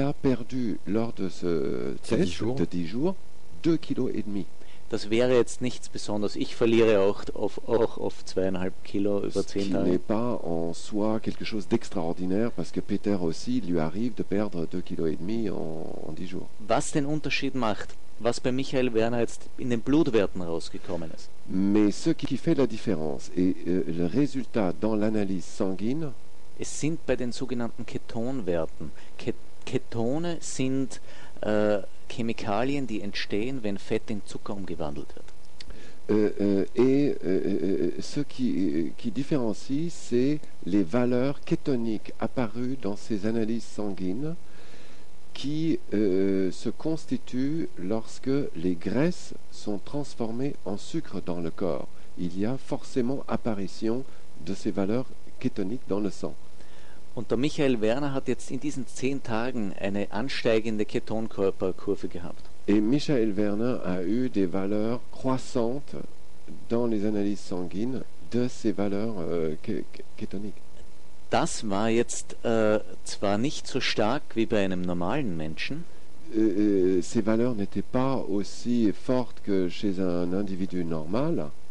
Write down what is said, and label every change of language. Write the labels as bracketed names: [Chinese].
[French] a perdu lors de ce test de 10 jours, 2,5 kilos. [German] das wäre jetzt nichts Besonderes. Ich verliere auch auf 2,5 Kilo über 10 Tage. [French] Ce n'est pas en soi quelque chose d'extraordinaire, parce que Peter aussi lui arrive de perdre 2,5 kilos en 10 jours. [German] Was den Unterschied macht, was bei Michael Werner jetzt in den Blutwerten rausgekommen ist. [French] Mais ce qui fait la différence et le résultat dans l'analyse sanguine. [German] Es sind bei den sogenannten Ketonwerten. Ketone sind Chemikalien, die entstehen, wenn Fett in Zucker umgewandelt wird. [French] Ce qui différencie, c'est les valeurs kétoniques apparues dans ces analyses sanguines qui se constituent lorsque les graisses sont transformées en sucre dans le corps. Il y a forcément apparition de ces valeurs kétoniques dans le sang. [German] Und der Michael Werner hat jetzt in diesen 10 Tagen eine ansteigende Ketonkörperkurve gehabt. [French] Et Michael Werner a eu des valeurs croissantes dans les analyses sanguines de ces valeurs kétoniques. [German] Das war jetzt zwar nicht so stark wie bei einem normalen Menschen. [French] Ces valeurs n'étaient pas aussi fortes que chez un individu normal.